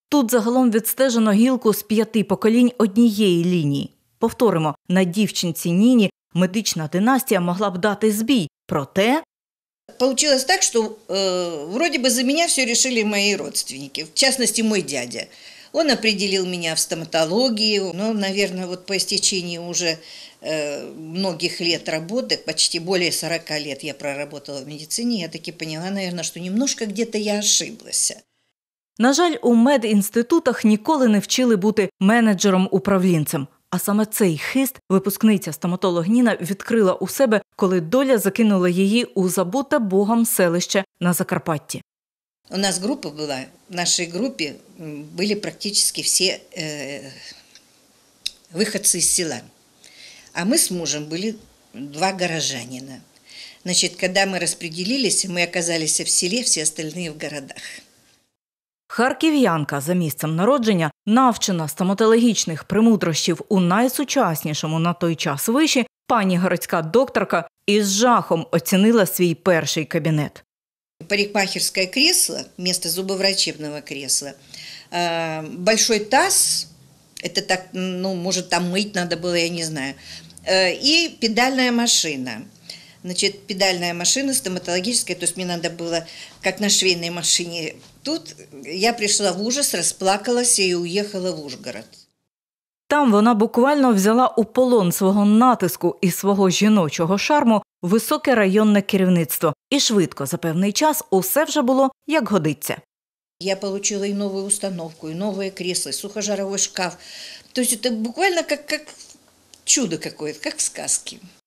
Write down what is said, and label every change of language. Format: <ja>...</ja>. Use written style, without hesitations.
<uk>Тут загалом відстежено гілку з 5 поколінь однієї лінії. Повторимо, на дівчинці Ніні медична династія могла б дати збій. Проте… Вийшло так, що, вроді би, за мене все вирішили мої родственники, в частності, мій дядя. Він определив мене в стоматології, ну, мабуть, от по істеченні вже…</uk> <ru>многих лет работы, почти более 40 лет я проработала в медицине, я таки поняла, наверное, что немножко где-то я ошиблась.</ru> <uk>На жаль, у медінститутах ніколи не вчили бути менеджером-управлінцем. А саме цей хист випускниця-стоматолог Ніна відкрила у себе, коли доля закинула її у забуте Богом селище на Закарпатті. У нас група була, в нашій групі були практично всі виходці з села.</uk> <ru>А мы с мужем были два горожанина. Значит, когда мы распределились, мы оказались в селе, все остальные в городах.</ru> <uk>Харків'янка за місцем народження, навчена стоматологічних премудрощів у найсучаснішому на той час виші, пані городська докторка із жахом оцінила свій перший кабінет.</uk> <ru>парикмахерское кресло, вместо зубоврачебного кресла, большой таз, это так, ну, может, там мыть надо было, я не знаю, и педальная машина. Значит, педальная машина стоматологическая, то есть мне надо было, как на швейной машине. Тут я пришла в ужас, расплакалась и уехала в Ужгород.</ru> <uk>Там вона буквально взяла у полон свого натиску і свого жіночого шарму високе районне керівництво. І швидко, за певний час, усе вже було, як годиться. Я отримала і нову установку, і нове крісло, сухожаровий шкаф. Тобто це буквально як чудо якесь, як в сказці.</uk>